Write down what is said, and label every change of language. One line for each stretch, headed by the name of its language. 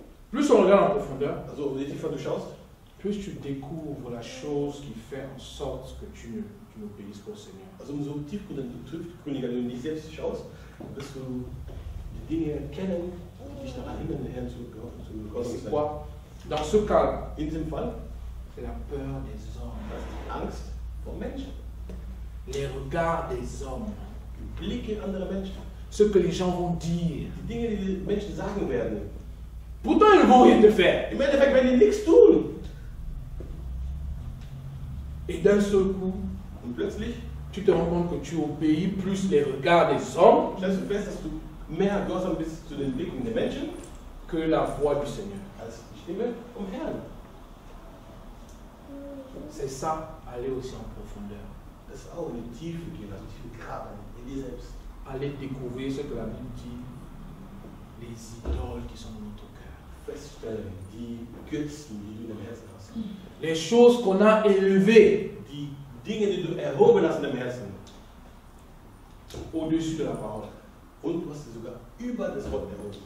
French: plus on regarde en profondeur,
German: also, je tiefer du schaust,
French: plus tu découvres la chose qui fait en sorte que tu ne obéisses pas au Seigneur.
German: Also, umso tiefer du triffst, Königin, wenn du dich selbst schaust, wirst du die Dinge erkennen, die dich daran hindern, den Herrn zu gehorchen.
French: Dans ce cas,
German: in diesem Fall,
French: la peur des hommes.
German: Das ist die Angst vor Menschen.
French: Les regards des hommes.
German: Die Blicke anderer Menschen.
French: Ce que les gens vont dire.
German: Die Dinge, die die Menschen sagen werden.
French: Pourtant, ils ne vont rien faire.
German: Im Endeffekt werden die nichts tun.
French: Et d'un seul coup,
German: und plötzlich,
French: tu te rends compte que tu obéis plus les regards des hommes.
German: Stellst du fest, dass du mehr gehorsam bist zu den Blicken der Menschen,
French: que la voix du Seigneur.
German: Als die Stimme vom Herrn.
French: C'est ça, aller aussi en profondeur.
German: Das ist auch eine Tiefe gehen, also tiefe graben in dir selbst.
French: Aller découvrir ce que la Bible dit, les idoles qui sont dans notre cœur.
German: Feststellen, die Götzen, die du in deinem Herzen hast.
French: Les choses qu'on a élevées,
German: die Dinge, die du erhoben hast in deinem Herzen,
French: au-dessus de la parole.
German: Und du hast sie sogar über das Wort erhoben.